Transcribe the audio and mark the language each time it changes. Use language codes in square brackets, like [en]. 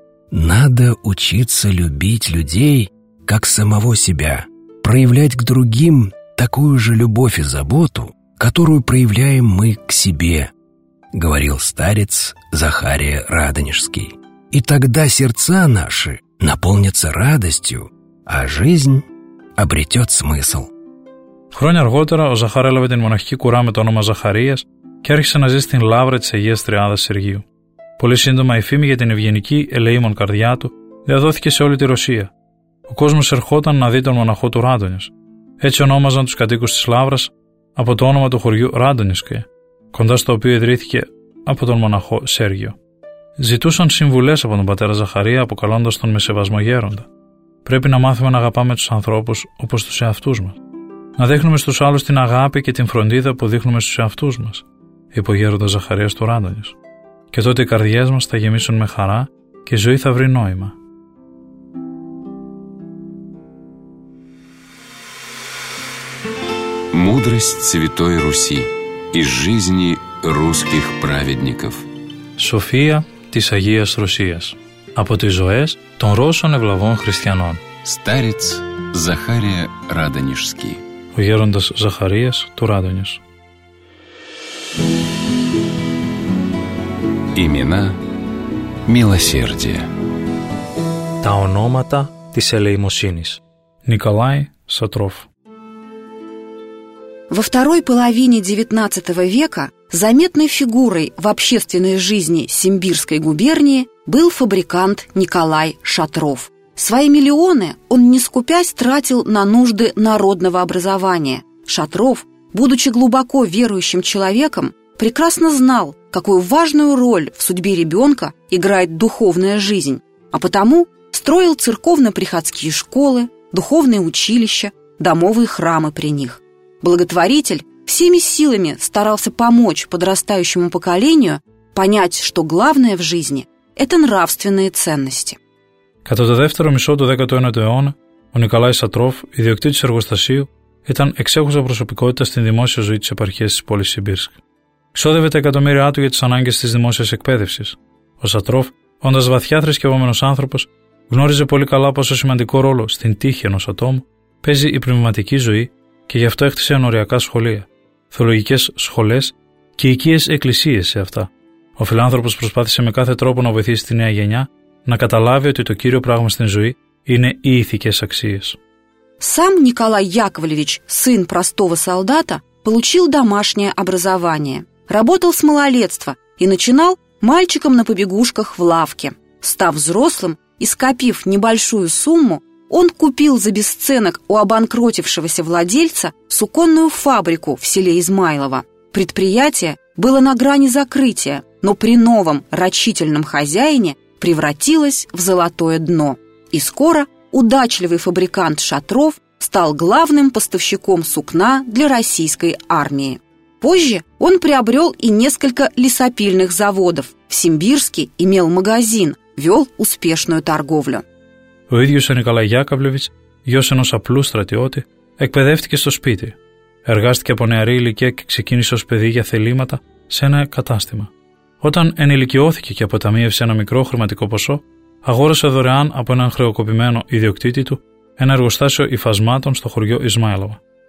[ru] «Надо учиться любить людей, как самого себя, проявлять к другим такую же любовь и заботу, которую проявляем мы к себе», — говорил старец Захария Радонежский. «И тогда сердца наши наполнятся радостью, а жизнь обретет смысл». [el] Χρόνια αργότερα, ο Ζαχάρη έλαβε την μοναχική κουρά με το όνομα Ζαχαρίας και άρχισε να ζει στην λαύρα της Αγίας Τριάδας Σεργίου. Πολύ σύντομα η φήμη για την ευγενική, ελεήμων καρδιά του διαδόθηκε σε όλη τη Ρωσία. Ο κόσμος ερχόταν να δει τον μοναχό του Ράντονιες. Έτσι ονόμαζαν τους κατοίκους της λαύρας από το όνομα του χωριού Ράντονιεσκε, κοντά στο οποίο ιδρύθηκε από τον μοναχό Σέργιο. Ζητούσαν συμβουλές από τον πατέρα Ζαχαρία, αποκαλώντας τον με σεβασμό γέροντα. Πρέπει να μάθουμε να αγαπάμε τους ανθρώπους όπως τους εαυτούς μας. Να δείχνουμε στους άλλους την αγάπη και την φροντίδα που δείχνουμε στους εαυτούς μας, είπε ο γέροντας Ζαχαρίας του Ράντονιος. Και τότε οι καρδιές μας θα γεμίσουν με χαρά και η ζωή θα βρει νόημα. [ru] Мудрость Святой Руси из жизни русских праведников. [el] София της Αγίας Ρωσίας. Από τις ζωές των Ρώσων ευλαβών χριστιανών. [ru] Старец Захария Радонежский. [el] Ο γέροντας Ζαχαρίας του Ράντονιος. [ru] Имена милосердия. [el] Τα ονόματα της ελεημοσύνης. [ru] Николай Сатров. Во второй половине XIX века заметной фигурой в общественной жизни Симбирской губернии был фабрикант Николай Шатров. Свои миллионы он, не скупясь, тратил на нужды народного образования. Шатров, будучи глубоко верующим человеком, прекрасно знал, какую важную роль в судьбе ребенка играет духовная жизнь, а потому строил церковно-приходские школы, духовные училища, домовые храмы при них. Благотворитель всеми силами старался помочь подрастающему поколению понять, что главное в жизни – это нравственные ценности. [el] Κατά το δεύτερο μισό του 19ου αιώνα, ο Νικολάη Σατρόφ, ιδιοκτήτης εργοστασίου, ήταν εξέχουσα προσωπικότητα στην δημόσια ζωή της επαρχίας της πόλης Σιμπίρσκ. Ξόδευε τα εκατομμύρια του για τις ανάγκες της δημόσιας εκπαίδευσης. Ο Σατρόφ, όντας βαθιά θρησκευόμενος άνθρωπος, γνώριζε πολύ καλά πόσο σημαντικό ρόλο στην τύχη ενός ατόμου παίζει η πνευματική ζωή και γι' αυτό έκτισε ενοριακά σχολεία, θεολογικές σχολές και οικίες εκκλησίες σε αυτά. Ο φιλάνθρωπος προσπάθησε με κάθε τρόπο να βοηθήσει τη νέα γενιά να καταλάβει ότι το κύριο πράγμα στην ζωή είναι οι ηθικές αξίες. [ru] Сам Николай Яковлевич, сын простого солдата, получил домашнее образование. Работал с малолетства и начинал мальчиком на побегушках в лавке. Став взрослым и скопив небольшую сумму, он купил за бесценок у обанкротившегося владельца суконную фабрику в селе Измайлово. Предприятие было на грани закрытия, но при новом рачительном хозяине превратилась в золотое дно. И скоро удачливый фабрикант Шатров стал главным поставщиком сукна для российской армии. Позже он приобрел и несколько лесопильных заводов. В Симбирске имел магазин, вел успешную торговлю. [el] Ο ίδιος ο Николай Яковлевич, γιος ενός απλού στρατιώτη, εκπαιδεύτηκε στο σπίτι. Εργάστηκε από νεαρή ηλικία και ξεκίνησε ως παιδί για θελήματα σε ένα κατάστημα. Όταν ενηλικιώθηκε και αποταμίευσε ένα μικρό χρηματικό ποσό, αγόρασε δωρεάν από έναν χρεοκοπημένο ιδιοκτήτη του ένα εργοστάσιο υφασμάτων στο χωριό Ισμάιλοβα.